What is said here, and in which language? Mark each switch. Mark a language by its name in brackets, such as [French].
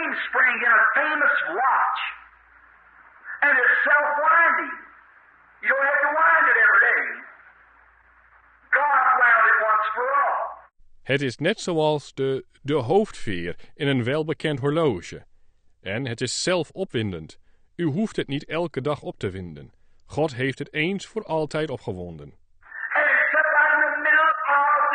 [English] Spring in a famous watch, and it's self-winding. You don't have to wind it every day. God wound it once for all. [Dutch] Het is net zoals de hoofdveer in een welbekend horloge. En het is zelfopwindend. U hoeft het niet elke dag op te winden. God heeft het eens voor altijd opgewonden. [English] And except in the middle of